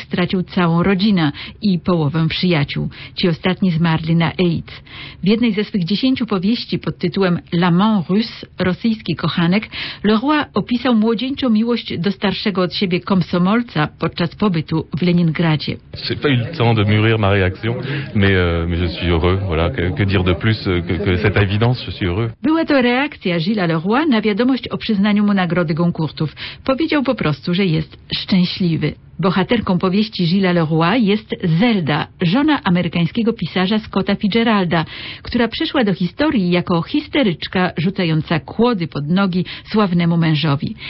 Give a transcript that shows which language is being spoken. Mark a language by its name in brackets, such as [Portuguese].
[Polish] stracił całą rodzinę i połowę przyjaciół. Ci ostatni zmarli na AIDS. W jednej ze swych 10 powieści pod tytułem L'amant russe, rosyjski kochanek, Leroy opisał młodzieńczą miłość do starszego od siebie komsomolca podczas pobytu w Leningradzie. [French] J'ai pas eu le temps de mûrir ma réaction, mais je suis heureux. Voilà, que dire de plus que cette évidence, je suis heureux. [Polish] Była to reakcja Gilles Leroy na wiadomość o przyznaniu mu Nagrody Goncourtów. Powiedział po prostu, że jest szczęśliwy. Bohaterką powieści Gilles Leroy jest Zelda, żona amerykańskiego pisarza Scotta Fitzgeralda, która przeszła do historii jako histeryczka rzucająca kłody pod nogi sławnemu mężowi.